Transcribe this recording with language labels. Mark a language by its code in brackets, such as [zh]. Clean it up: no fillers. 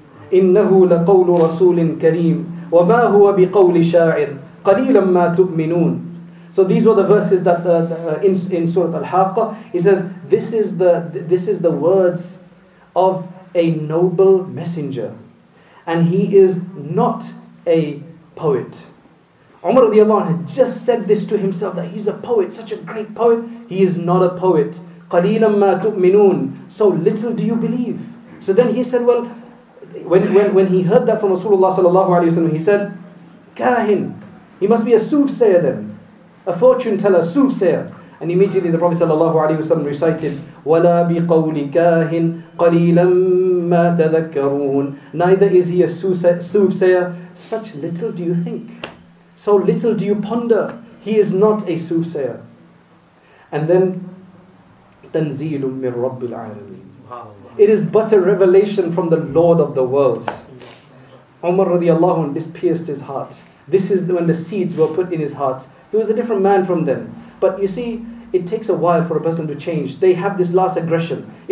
[ar] إنه لقول رسول كريم وما هو بقول شاعر قليلا ما تؤمنون. [en] So these were the verses that in Surah Al-Haqqa, he says, this is the words of a noble messenger, and he is not a poet. Umar radiallahu anhu had just said this to himself, that he's a poet, such a great poet. He is not a poet. [ar] قليلا ما تؤمنون. [en] So little do you believe. So then he said, well, When he heard that from Rasulullah sallallahu alayhi wa sallam, he said, Kahin, he must be a soothsayer then, a fortune teller, soothsayer. And immediately the Prophet sallallahu alayhi wa sallam recited, [ar] وَلَا بِقَوْلِ كَاهِن قَلِيلًا مَا تَذَكَّرُونَ. [en] Neither is he a soothsayer. Such little do you think. So little do you ponder. He is not a soothsayer. And then, [ar] تَنْزِيلٌ مِنْ رَبِّ الْعَالَمِينَ. [en] It is but a revelation from the Lord of the worlds. Umar radiallahu anhu, this pierced his heart. This is when the seeds were put in his heart. He was a different man from them. But you see, it takes a while for a person to change. They have this last aggression.